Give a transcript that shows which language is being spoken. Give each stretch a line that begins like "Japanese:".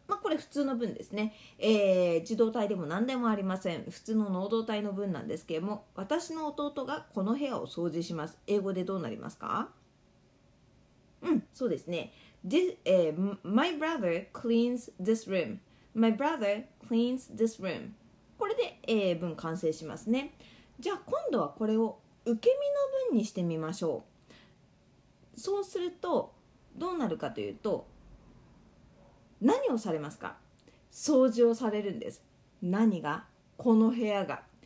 Japanese: まあ、これ普通の文ですね。受動態でも何でもありません。普通の能動態の文なんですけれども、私の弟がこの部屋を掃除します、英語でどうなりますか？うん、そうですね。
English: My brother cleans this room. My brother cleans this room.
Japanese: これで、文完成しますね。じゃあ今度はこれを受け身の文にしてみましょう。そうするとどうなるかというと、何をされますか？掃除をされるんです。何が？この部屋が。